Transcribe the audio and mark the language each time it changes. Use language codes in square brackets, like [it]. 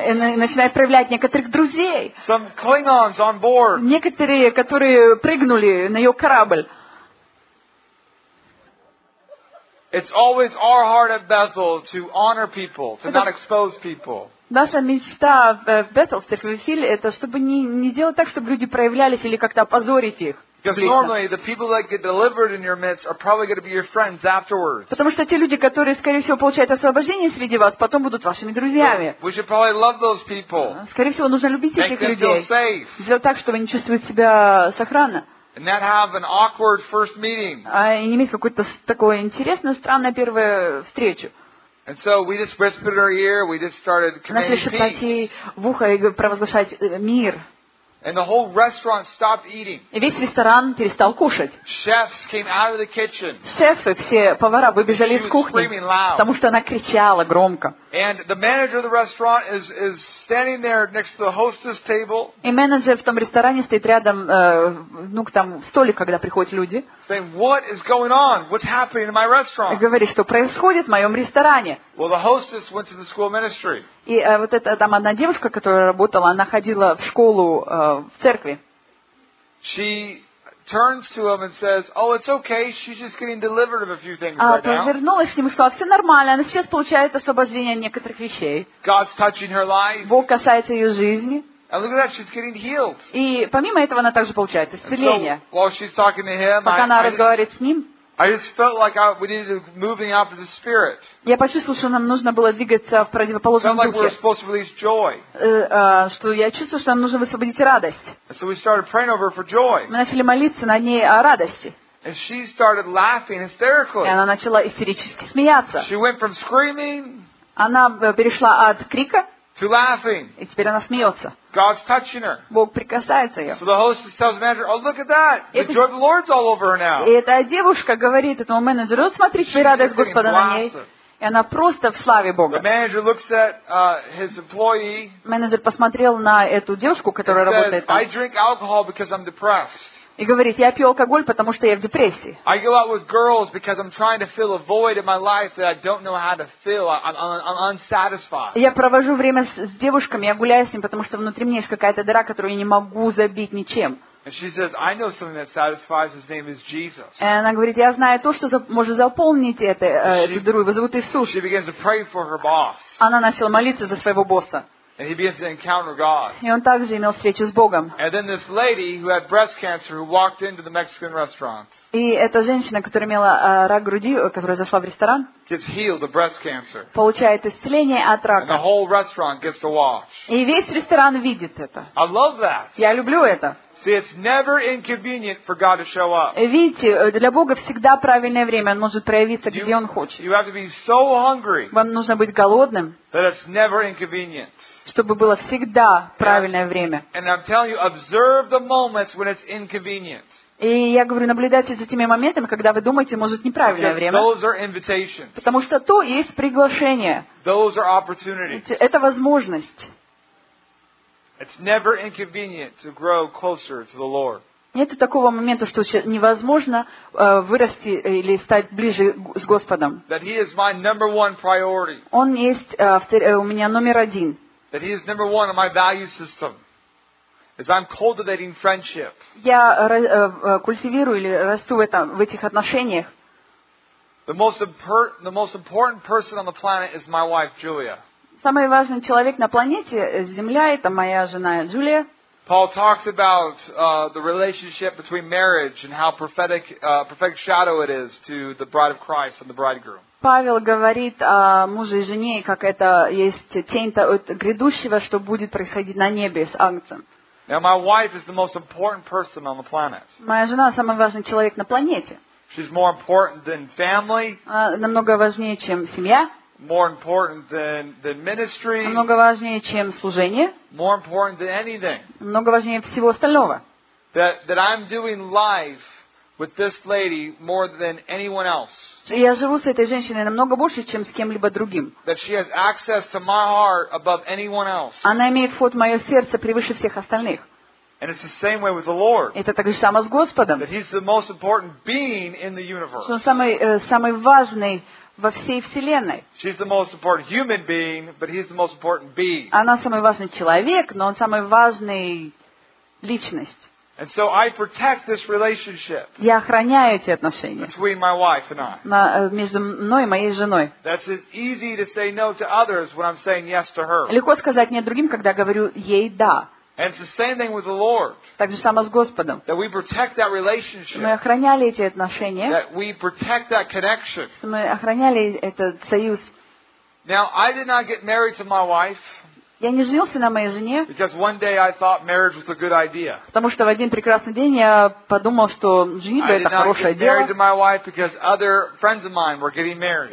[ru] И начинает проявлять некоторых друзей. [en] Some Klingons on board. [ru] Некоторые, которые прыгнули на ее корабль. [en] It's always our heart at Bethel to honor people, to not expose people. [ru] Наша мечта в Bethel, в церкви Фили, это чтобы не делать так, чтобы люди проявлялись или как-то опозорить их. [en] Because normally the people that get delivered in your midst are probably going to be your friends afterwards. [ru] Потому что те люди, которые, скорее всего, получают освобождение среди вас, потом будут вашими друзьями. [en] We should probably love those people. [ru] Скорее всего, нужно любить этих людей. [en] Make them feel safe. [ru] Сделать так, чтобы они чувствовали себя сохранно. [en] And not have an awkward first meeting. [ru] Не иметь какое-то такое интересное, странное первое встречу. [en] And so we just whispered in her ear, we just started commanding peace. [ru] Начали шептать ей в ухо и провозглашать мир. [en] And the whole restaurant stopped eating. [ru] И весь ресторан перестал кушать. [en] Chefs came out of the kitchen. [ru] Шефы, все повара выбежали из кухни, потому что она кричала громко. [en] And the manager of the restaurant is standing there next to the hostess table. [ru] И менеджер в том ресторане стоит рядом, ну, там столик, когда приходят люди. [en] Saying, what is going on? What's happening in my restaurant? [ru] И говорит, что происходит в моем ресторане. [en] Well, the hostess went to the school ministry. [ru] И вот эта там одна девушка, которая работала, она ходила в школу в церкви. [en] She turns to him and says, "Oh, it's okay. She's just getting delivered of a few things right now." [ru] А повернулась к нему и сказала, "Все нормально. Она сейчас получает освобождение от некоторых вещей." [en] God's touching her life. [ru] Бог касается ее жизни. [en] And look at that, she's getting healed. [ru] И помимо этого она также получает исцеление. [en] So, while she's talking to him, [ru] пока она разговаривает с ним. [en] I just felt like we needed to move in the opposite spirit. [ru] Я почувствовал, что нам нужно было двигаться в противоположном духе. [en] Felt like we were supposed to release joy. [ru] Что я чувствовал, что нам нужно высвободить радость. [en] So we started praying over her for joy. [ru] Мы начали молиться на ней о радости. [en] And she started laughing hysterically. [ru] И она начала истерически смеяться. [en] She went from screaming. [ru] Она перешла от крика. [en] To laughing. [ru] И теперь она смеется. [en] God's touching her. [ru] Бог прикасается ее. [en] So the hostess tells the manager, "Oh, look at that! The joy of the Lord's all over her now." [ru] И эта девушка говорит этому менеджеру, смотри, твоя радость Господа на ней. И она просто в славе Бога. [en] The manager looks at his employee. [ru] Менеджер посмотрел на эту девушку, которая работает там. [en] I drink alcohol because I'm depressed. [ru] И говорит, я пью алкоголь, потому что я в депрессии. [en] I go out with girls because I'm trying to fill a void in my life that I don't know how to fill. I'm unsatisfied. [ru] Я провожу время с девушками, я гуляю с ним, потому что внутри меня есть какая-то дыра, которую я не могу забить ничем. [en] And she says, I know something that satisfies. His name is Jesus. [ru] И она говорит, я знаю то, что может заполнить эту дыру. Его зовут Иисус. [en] She begins to pray for her boss. [ru] Она начала молиться за своего босса. [en] And he begins to encounter God. [ru] И он также имел встречу с Богом. [en] And then this lady who had breast cancer who walked into the Mexican restaurant. [ru] И эта женщина, которая имела рак груди, которая зашла в ресторан, [en] gets healed of breast cancer. [ru] Получает исцеление от рака. [en] And the whole restaurant gets to watch. [ru] И весь ресторан видит это. [en] I love that. [ru] Я люблю это. [en] See, it's never inconvenient for God to show up. [ru] Видите, для Бога всегда правильное время. Он может проявиться, где Он хочет. [en] You have to be so hungry. [ru] Вам нужно быть голодным. [en] That it's never inconvenient. [ru] Чтобы было всегда правильное время. [en] And I'm telling you, observe the moments when it's inconvenient. [ru] И я говорю, наблюдайте за теми моментами, когда вы думаете, может, неправильное время. Потому что то есть приглашение. [en] Those are opportunities. [ru] Это возможность. [en] It's never inconvenient to grow closer to the Lord. [ru] Нет такого момента, что невозможно вырасти или стать ближе с Господом. [en] That He is my number one priority. [ru] Он есть у меня номер один. [en] That He is number one in my value system. As I'm cultivating friendship. [ru] Я культивирую или расту в этих отношениях. [en] The most important person on the planet is my wife Julia. [ru] Самый важный человек на планете Земля – это моя жена Джулия. [en] Paul talks about the relationship between marriage and how prophetic shadow it is to the bride of Christ and the bridegroom. [ru] Павел говорит о муже и жене, как это есть тень от грядущего, что будет происходить на небе с Агнцем. [en] Now my wife is the most important person on the planet. [ru] Моя жена – самый важный человек на планете. [en] She's more important than family. [ru] Намного важнее, чем семья. [en] More important than ministry. [ru] Намного важнее, чем служение. [en] More important than anything. [ru] Намного важнее всего остального. [en] That I'm doing life with this lady more than anyone else. [ru] Я живу с этой женщиной намного больше, чем с кем-либо другим. [en] That she has access to my heart above anyone else. [ru] Она имеет вход в мое сердце превыше всех остальных. [en] And it's the same way with the Lord. [ru] Это так же само с Господом. [en] That He's the most important being in the universe. [ru] Он самый важный во всей вселенной. [en] She's the most important human being, but he's the most important being. [ru] Она самый важный человек, но он самый важный личность. [en] And so I protect this relationship. [ru] Я охраняю эти отношения. [en] Between my wife and I. [ru] Между мной и моей женой. [en] That's as easy to say no to others when I'm saying yes to her. [ru] Легко сказать нет другим, когда говорю ей да. [en] And it's the same thing with the Lord. [ru] Так же само с Господом. [en] That we protect that relationship. [ru] Мы охраняли эти отношения. [en] That we protect that connection. [ru] Мы охраняли этот союз. [en] Now, I did not get married to my wife. [ru] Я не женился на моей жене. [en] Just one day I thought marriage was a good idea. [ru] Потому что в один прекрасный день я подумал, что женитьба это хорошее дело. [en] I did not get married to my wife because other friends of mine were getting married.